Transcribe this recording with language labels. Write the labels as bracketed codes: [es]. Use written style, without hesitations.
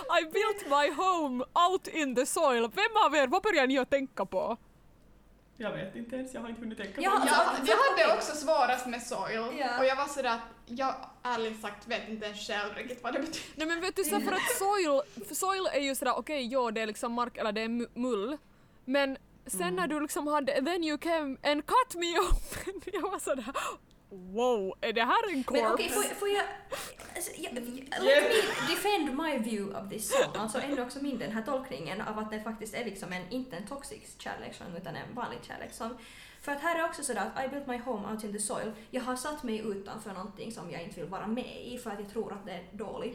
[en] I built my home out in the soil. [sv] Vem av er, vad börjar ni att tänka på? Jag vet inte ens, jag har inte hunnit tänka ja, på det. Jag hade också svarat med soil. [en] Yeah. [sv] Och jag var sådär, jag ärligt sagt vet inte ens själv riktigt vad det betyder. Nej men vet du, så för att soil är ju sådär, okej, okay, ja det är liksom mark eller det är mull. Men sen när du liksom hade, [en] then you came and cut me up. [sv] Jag var sådär, wow, är det här en korps? Men okej, [en] okay, let me defend my view of this song. [sv] Alltså ändå också min den här tolkningen av att det faktiskt är liksom en, inte en toxic kärlek song, utan en vanlig kärlek song. För att här är också sådär att [en] I built my home out in the soil. [sv] Jag har satt mig utanför någonting som jag inte vill vara med i för att jag tror att det är dåligt.